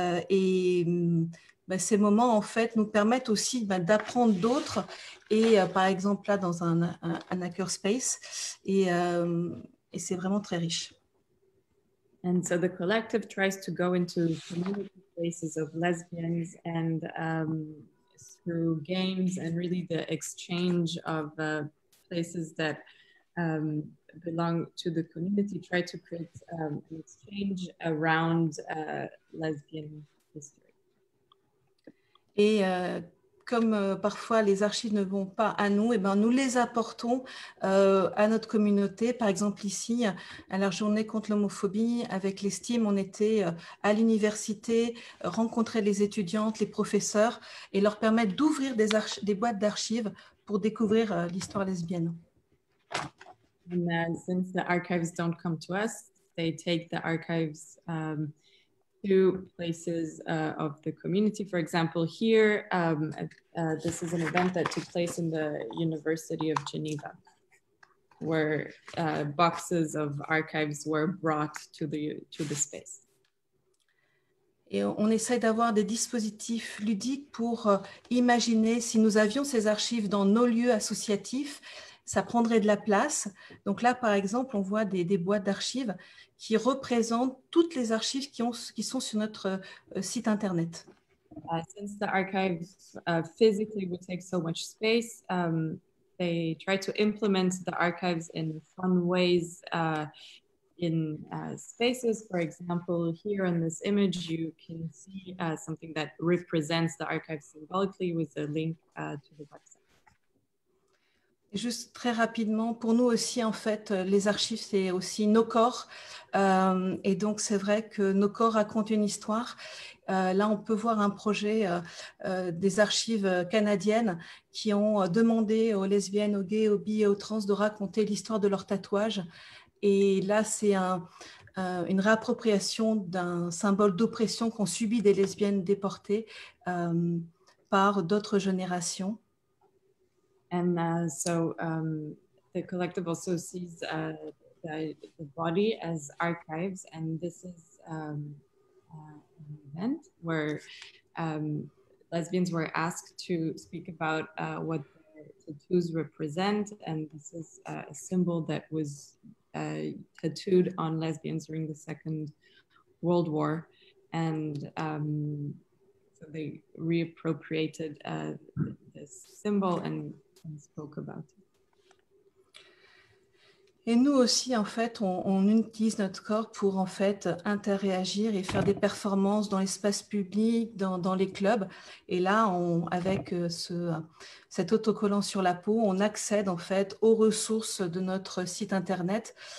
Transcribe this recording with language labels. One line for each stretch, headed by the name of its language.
French: Et ben, ces moments, en fait, nous permettent aussi ben, d'apprendre d'autres, et par exemple, là, dans un hackerspace. Et c'est vraiment très riche.
English: And so the collective tries to go into community spaces of lesbians and through games and really the exchange of places that belong to the community, try to create an exchange around lesbian history.
French: Et comme parfois les archives ne vont pas à nous, et ben nous les apportons à notre communauté. Par exemple ici, à la journée contre l'homophobie, avec l'Estime, on était à l'université, rencontrer les étudiantes, les professeurs, et leur permettre d'ouvrir des boîtes d'archives pour découvrir l'histoire lesbienne.
English: And since the archives don't come to us, they take the archives to places of the community. For example, here, this is an event that took place in the University of Geneva, where boxes of archives were brought to the space.
French: Et on essaie d'avoir des dispositifs ludiques pour imaginer si nous avions ces archives dans nos lieux associatifs, ça prendrait de la place. Donc là, par exemple, on voit des boîtes d'archives qui représentent toutes les archives qui sont sur notre site internet.
English: Since the archives physically would take so much space, they try to implement the archives in fun ways in spaces. For example, here in this image, you can see something that represents the archives symbolically with a link to the website.
French: Juste très rapidement, pour nous aussi, en fait, les archives, c'est aussi nos corps. Et donc, c'est vrai que nos corps racontent une histoire. Là, on peut voir un projet des archives canadiennes qui ont demandé aux lesbiennes, aux gays, aux bi et aux trans de raconter l'histoire de leur tatouage. Et là, c'est une réappropriation d'un symbole d'oppression qu'ont subi des lesbiennes déportées par d'autres générations.
English: And the collective also sees the body as archives. And this is an event where lesbians were asked to speak about what the tattoos represent. And this is a symbol that was tattooed on lesbians during the Second World War. And so they reappropriated this symbol and spoke about it.
French: Et nous aussi, en fait, on utilise notre corps pour en fait interagir et faire des performances dans l'espace public, dans les clubs. Et là, avec cet autocollant sur la peau, on accède en fait aux ressources de notre site internet.